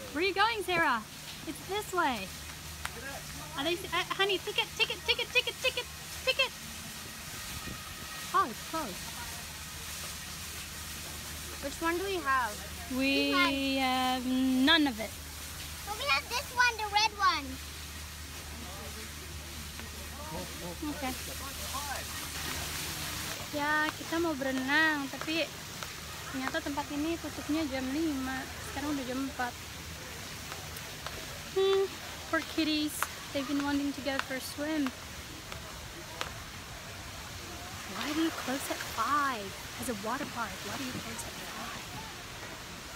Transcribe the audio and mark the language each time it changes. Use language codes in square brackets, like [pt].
[en] Where are you going, Sarah? It's this way. Are they, honey, ticket. Oh, it's closed. Which one do we have? We have none of it. But we have this one, the red one. [id] Okay. Ya, kita mau berenang, tapi ternyata tempat ini tutupnya jam 5. Sekarang udah jam 4. [en] Poor kitties. They've been wanting to go for a swim. Why do you close at 5? As a water park, why do you close at 5?